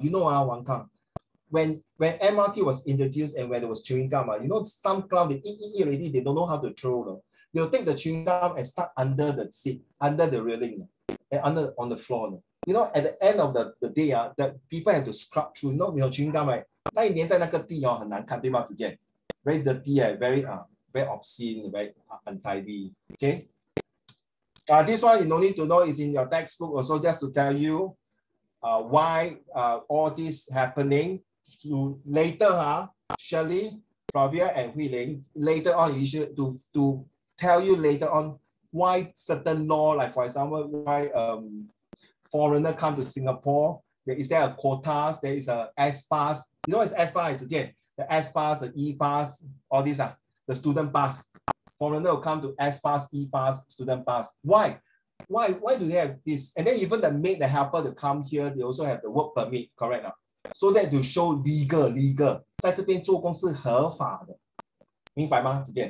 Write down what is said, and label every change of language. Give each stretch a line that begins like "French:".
English: You know, Wang Kang, when MRT was introduced and when there was chewing gum, you know, some clown, they eat already, they don't know how to throw. They'll take the chewing gum and stuck under the seat, under the railing, and under on the floor. You know, at the end of the day, the people have to scrub through. You know, chewing gum, right?
Chinese: 那一年在那个地, 很难看对吗, 直接?
English: Very dirty, very obscene, very untidy. Okay. This one you don't need to know, is in your textbook also, just to tell you why all this happening. To later, Shirley, Flavia, and Huiling, later on, you should to tell you later on why certain law, like for example, why foreigner come to Singapore. Is there a quotas? There is a S-pass. You know what's S-pass? The S-pass, the E-pass, all these are the student pass. Foreigner will come to S-pass, E-pass, student pass. Why? Why do they have this? And then even the maid, the helper to come here, they also have the work permit, correct? So that to show legal.
Chinese: 在这边做工是合法的。明白吗?